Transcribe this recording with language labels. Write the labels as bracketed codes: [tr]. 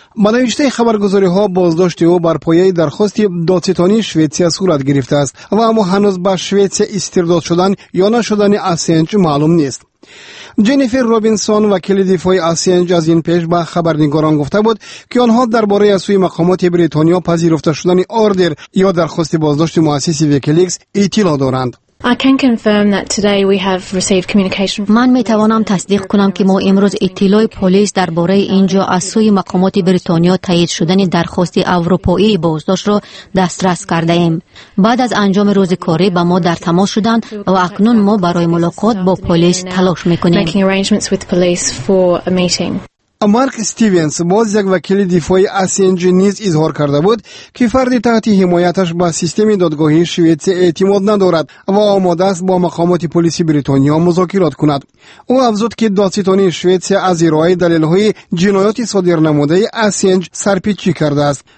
[fa] به نوشته خبرگزاری ها، بازداشت او بر پایه درخواست دادستانی سوئیسیا صورت گرفته است، و اما هنوز به سوئیسیا استرداد شدن یا نشدن آسانج معلوم نیست. جنیفر روبینسون، وکیل دفاعی آسانج، از این پیش به خبرنگاران گفته بود که آنها درباره از سوی مقامات بریتانیا پذیرفته شدن اوردر یا درخواست بازداشت مؤسس ویکی‌لیکس اطلاع دارند. [en] I can confirm that today we have received communication. [fa] من می توانم تصدیق کنم که ما امروز اطلاع پلیس درباره اینجا از سوی مقامات بریتانیا تایید شدن درخواست اروپایی بازداشت را دسترس کرده ایم. بعد از انجام روز کاری با ما در تماس شدند و اکنون ما برای ملاقات با پلیس تلاش می کنیم. [en] Making arrangements with police for a meeting. [fa] مارک استیونز، باز یک وکیل دفاعی آسانج، نیز اظهار کرده بود که فردی تحت حمایتش به سیستم دادگاهی سوئیسی اعتماد ندارد و آماده است با مقامات پلیس بریتانیا مذاکرات کند. او افزود که دادستانی سوئیسی از ارائه دلیل‌های جنایاتی صادر نموده آسانج سرپیچی کرده است.